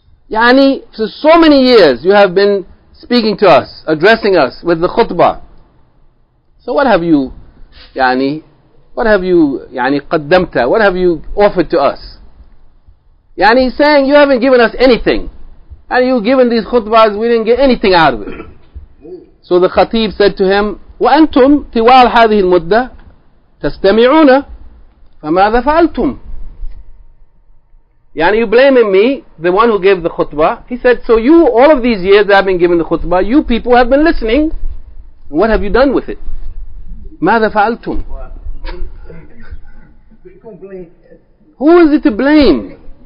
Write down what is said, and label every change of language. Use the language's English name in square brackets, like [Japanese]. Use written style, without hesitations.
[English] Yani, for so many years you have been speaking to us, addressing us with the khutbah. So what have you, yani, what have you, yani, [Arabic] قَدَّمْتَ, [English] what have you offered to us? Yani, saying you haven't given us anything. And you given these khutbahs, we didn't get anything out of it. So the khatib said to him, [Arabic] وَأَنْتُمْ تِوَالْ هَذِهِ الْمُدَّةِ تَسْتَمِعُونَ فَمَاذَا فَعَلْتُمْ. [English] Yani you blaming me, the one who gave the khutbah. He said, so you, all of these years that I've been giving the khutbah, you people have been listening. What have you done with it? [Arabic] ماذا فعلتم? [English] Who is it to blame?